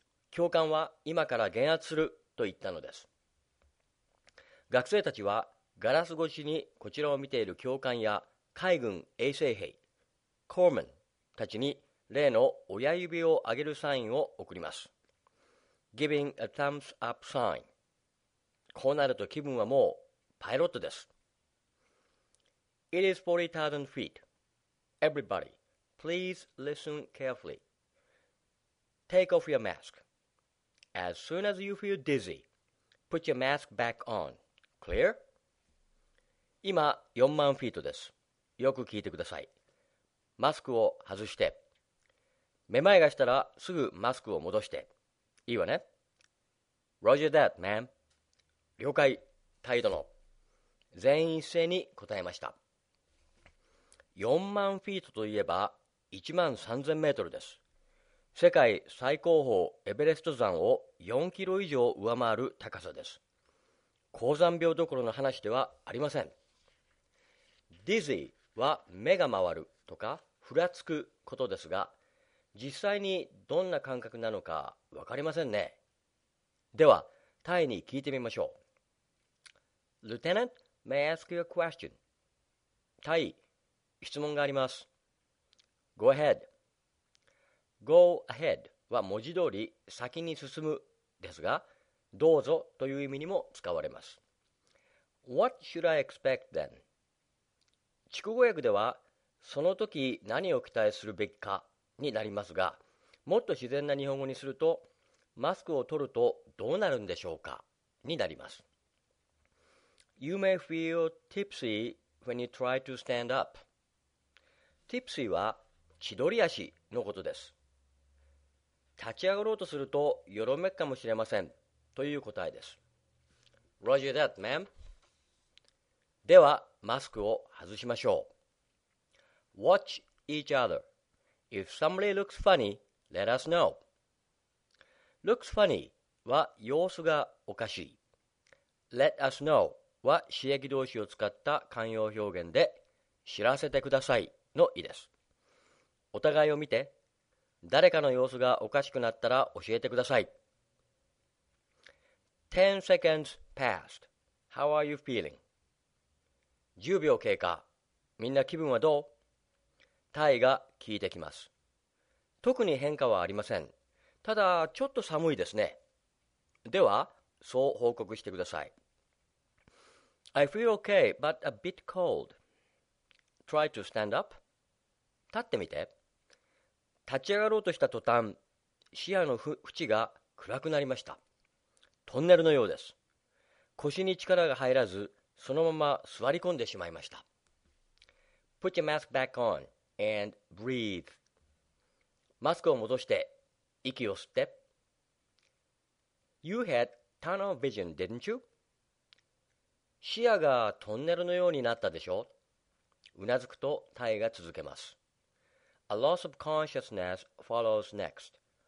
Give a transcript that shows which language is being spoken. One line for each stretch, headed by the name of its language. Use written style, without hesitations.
Japanese: 教官は今から減圧すると言ったのです。学生たちはガラス越しにこちらを見ている教官や海軍衛生兵、コーマンたちに例の親指を上げるサインを送ります。
English: Giving a thumbs up sign。
Japanese: こうなると気分はもうパイロットです。
English: It is 40,000 feet. Everybody, please listen carefully. Take off your mask. As soon as you feel dizzy, put your mask back on. Clear?
Japanese: 今、4万フィートです。よく聞いてください。マスクを外して、めまいがしたらすぐマスクを戻して、いいわね。
English: Roger that, man.
Japanese: 了解、態度の。全員一斉に答えました。4万フィートといえば1万3000メートルです。世界最高峰エベレスト山を4キロ以上上回る高さです。高山病どころの話ではありません。
English: Dizzy。
Japanese: は目が回るとかふらつくことですが、実際にどんな感覚なのか分かりませんね。ではタイに聞いてみましょう。
English: Lieutenant, may I ask you a question?
Japanese: タイ、質問があります。
English: Go ahead. Go ahead
Japanese: は文字通り先に進むですが、どうぞという意味にも使われます。
English: What should I expect then?
Japanese: 筑語訳では、その時何を期待するべきかになりますが、もっと自然な日本語にすると、マスクを取るとどうなるんでしょうかになります。
English: You may feel tipsy when you try to stand up.
Japanese: Tipsy は千鳥足のことです。立ち上がろうとするとよろめくかもしれませんという答えです。
English: Roger that, man.
Japanese: では、マスクを外しましょう。
English: Watch each other. If somebody looks funny, let us know. Looks funny
Japanese: は様子がおかしい。
English: Let us know
Japanese: は刺激動詞を使った慣用表現で、知らせてくださいの意です。お互いを見て、誰かの様子がおかしくなったら教えてください。
English: 10 seconds passed. How are you feeling?
Japanese: 10秒経過。みんな気分はどう? タイが聞いてきます。特に変化はありません。ただ、ちょっと寒いですね。では、そう報告してください。
English: I feel okay, but a bit cold. Try to stand up.
Japanese: 立ってみて。立ち上がろうとした途端、視野の縁が暗くなりました。トンネルのようです。腰に力が入らず、そのまま座り込んでしまいました。
English: Put your mask back on and breathe.
Japanese: マスクを戻して、息を吸って。
English: You had tunnel vision, didn't you?
Japanese: 視野がトンネルのようになったでしょ?うなずくと、タイが続けます。
English: A loss of consciousness follows next.